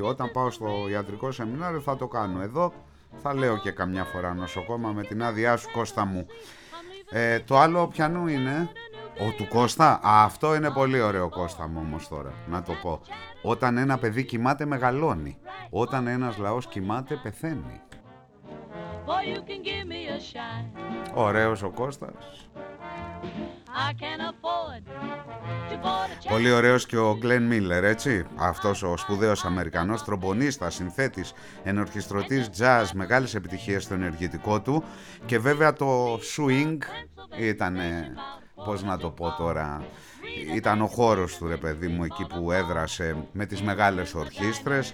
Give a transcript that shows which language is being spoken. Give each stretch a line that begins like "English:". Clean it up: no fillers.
Greek: Όταν πάω στο ιατρικό σεμινάριο θα το κάνω. Εδώ θα λέω και καμιά φορά νοσοκόμα με την άδειά σου Κώστα μου. Το άλλο πιανού είναι, ο του Κώστα, αυτό είναι πολύ ωραίο Κώστα μου όμως τώρα, να το πω. Όταν ένα παιδί κοιμάται μεγαλώνει, όταν ένας λαός κοιμάται πεθαίνει.
English: Boy, you can give me a shine.
Greek: Ωραίος ο Κώστας.
English: I can afford to board a train.
Greek: Πολύ ωραίος και ο Γκλεν Μίλλερ, έτσι. Αυτός ο σπουδαίος Αμερικανός τρομπονίστας, συνθέτης, ενορχιστρωτής jazz, μεγάλες επιτυχίες στο ενεργητικό του. Και βέβαια το swing ήταν, πώς να το πω τώρα, ήταν ο χώρος του ρε παιδί μου, εκεί που έδρασε με τις μεγάλες ορχήστρες.